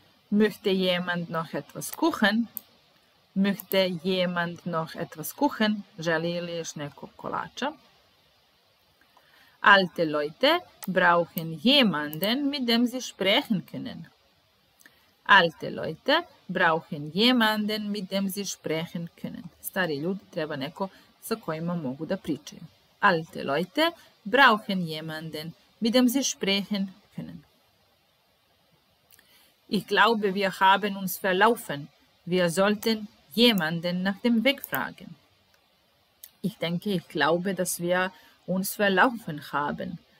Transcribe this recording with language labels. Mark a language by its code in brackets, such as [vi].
[de] Möchte jemand noch etwas kuchen? Möchte jemand noch etwas kuchen? [sr] Želi li još neko kolača? [de] Alte Leute brauchen jemanden, mit dem sie sprechen können. Alte Leute brauchen jemanden, mit dem sie sprechen können. [sr] Stari ljudi treba neko sa kojima mogu da pričaju. [de] Alte Leute brauchen jemanden, mit dem sie sprechen können. Ich glaube, wir haben uns verlaufen. Wir sollten jemanden nach dem Weg fragen. Ich denke, ich glaube, dass wir uns verlaufen haben.